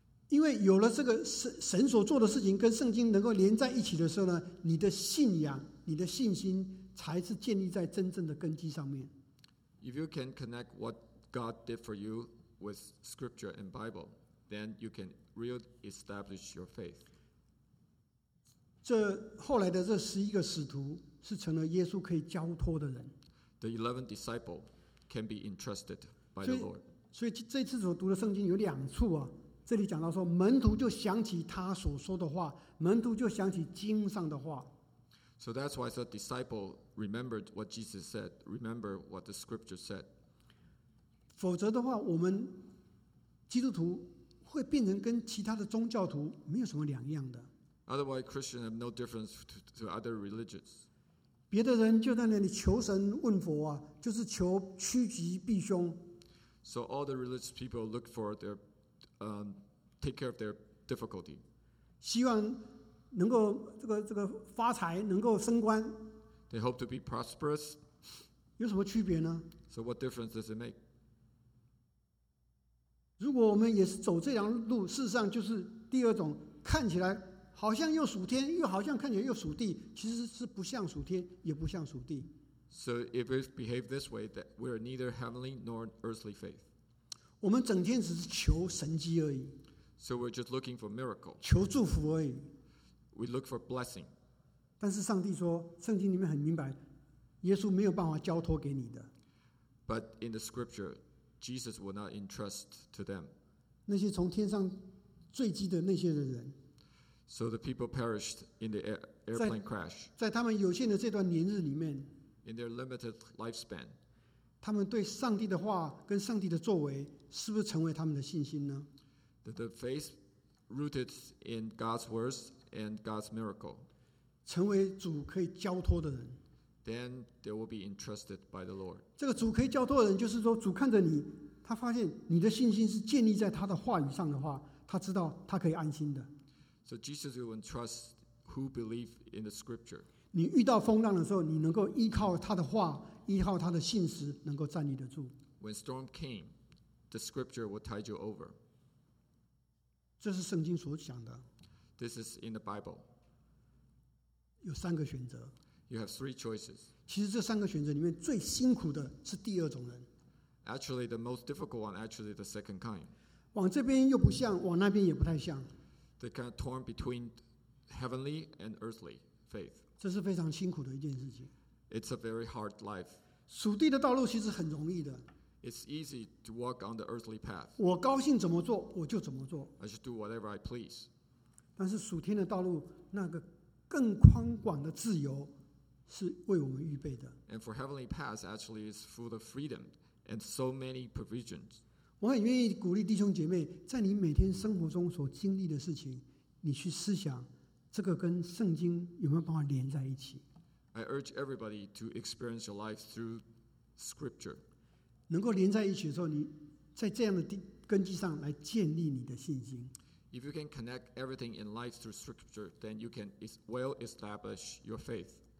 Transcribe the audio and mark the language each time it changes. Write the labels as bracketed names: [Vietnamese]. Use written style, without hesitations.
[Chinese] 因为有了这个神所做的事情跟圣经能够连在一起的时候呢，你的信仰、你的信心才是建立在真正的根基上面。 [English] If you can connect what God did for you with scripture and Bible, then you can re-establish your faith. [Chinese] 这后来的这十一个使徒是成了耶稣可以交托的人。 [English] The 11 disciples. Can be entrusted by the Lord. [Chinese] 所以这次所读的圣经有两处啊，这里讲到说门徒就想起他所说的话，门徒就想起经上的话。 [English] So that's why the disciple remembered what Jesus said, remember what the scripture said. [Chinese] 否则的话，我们基督徒会变成跟其他的宗教徒没有什么两样的。 [English] Otherwise, Christians have no difference to other religions. [Chinese] 别的人就在那里求神问佛啊，就是求趋吉避凶。 [English] So all the religious people look for their, take care of their difficulty. [Chinese] 希望能够这个发财，能够升官。 [English] They hope to be prosperous. [Chinese] 有什么区别呢 [English] ？So what difference does it make? [Chinese] 如果我们也是走这条路，事实上就是第二种，看起来好像又属天，又好像看起来又属地，其实是不像属天，也不像属地。 [English] So if we behave this way, that we are neither heavenly nor earthly faith. [Chinese] 我们整天只是求神迹而已。 [English] So we're just looking for miracle. [Chinese] 求祝福而已。 [English] We look for blessing. [Chinese] 但是上帝说，圣经里面很明白，耶稣没有办法交托给你的。 [English] But in the scripture, Jesus will not entrust to them. [Chinese] 那些从天上坠机的那些的人。 [English] So the people perished in the airplane crash. [Chinese] 在他们有限的这段年日里面。 [English] In their limited lifespan, [Chinese] 他们对上帝的话跟上帝的作为是不是成为他们的信心呢 [English] ？The faith rooted in God's words and God's miracle, [Chinese] 成为主可以交托的人。 [English] Then they will be entrusted by the Lord. [Chinese] 这个主可以交托的人，就是说主看着你，他发现你的信心是建立在他的话语上的话，他知道他可以安心的。 [English] So Jesus will entrust who believe in the Scripture. [Chinese] 你遇到风浪的时候，你能够依靠他的话，依靠他的信实，能够站立得住。 [English] When storm came, the scripture will tide you over. [Chinese] 这是圣经所讲的。 [English] This is in the Bible. [Chinese] 有三个选择。 [English] You have three choices. [Chinese] 其实这三个选择里面最辛苦的是第二种人。 [English] Actually, the most difficult one, actually the second kind. [Chinese] 往这边又不像，往那边也不太像。 [English] They kind of torn between heavenly and earthly faith. [Chinese] 这是非常辛苦的一件事情。 [English] It's a very hard life. [Chinese] 属地的道路其实很容易的。 [English] It's easy to walk on the earthly path. [Chinese] 我高兴怎么做我就怎么做。 [English] I just do whatever I please. [Chinese] 但是属天的道路，那个更宽广的自由是为我们预备的。 [English] And for heavenly paths, actually, it's full of freedom and so many provisions. [Chinese] 我很愿意鼓励弟兄姐妹，在你每天生活中所经历的事情，你去思想。这个跟圣经有没有办法连在一起 [English] ？I urge everybody to experience your life through Scripture. [Chinese] 能够连在一起的时候，你在这样的根基上来建立你的信心。 [English] If you can connect everything in life through Scripture, then you can well establish your faith.